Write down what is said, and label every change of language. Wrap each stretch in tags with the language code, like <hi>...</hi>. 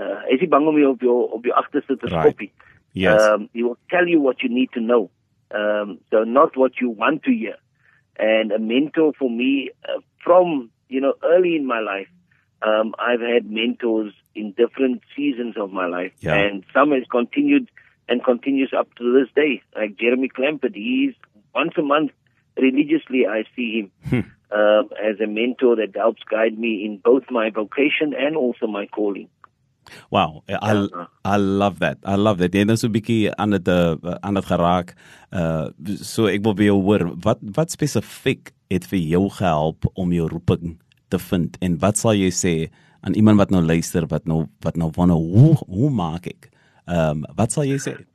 <af>Is he bang om jou op jou agterste te skop?</af> <en>Yes. He will tell you what you need to know, so not what you want to hear. And a mentor for me, from early in my life, I've had mentors in different seasons of my life, yeah. And some has continued and continues up to this day. Like Jeremy Clampett, he's once a month religiously I see him. As a mentor that helps guide me in both my vocation and also my calling. Wow, I love that. I love that.</en> <af>Jy het so 'n bietjie aan dit geraak. So ek wil by jou hoor, wat spesifiek het vir jou gehelp om jou roeping te vind? En wat sal jy sê aan iemand wat nou luister, wat nou wonder hoe maak ek? Wat sal jy sê?</af>